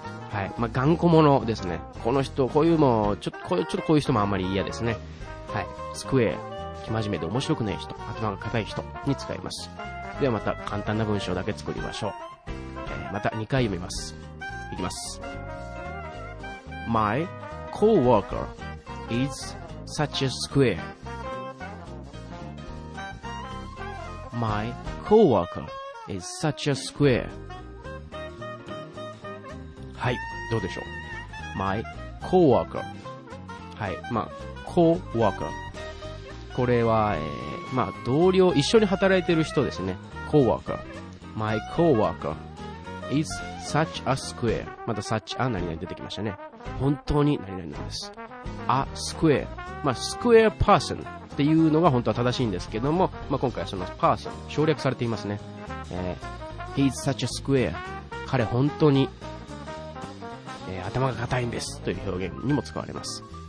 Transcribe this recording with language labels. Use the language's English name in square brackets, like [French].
[Japanese] はい、まあ頑固者ですね。この人こういうもちょっとこういう人もあんまり嫌ですね。はい、square、 気真面目で面白くない人、頭が硬い人に使います。ではまた簡単な文章だけ作りましょう、また2回読みます。いきます。 [English] myCoworker is such a square. My coworker is such a square. [Japanese] はい、どうでしょう。 [English] My coworker。 [Japanese] はい、まあ coworker。これは、まあ同僚、一緒に働いている人ですね。 [English] Coworker。 My coworker is such a square。 [Japanese] また [English] such a [Japanese] 何々出てきましたね。本当に何々なんです。 A square、 まあ square person っていうのが本当は正しいんですけども、まあ、今回はその person 省略されていますね、 [English] He's such a square、 [Japanese] 彼本当に、頭が硬いんですという表現にも使われます。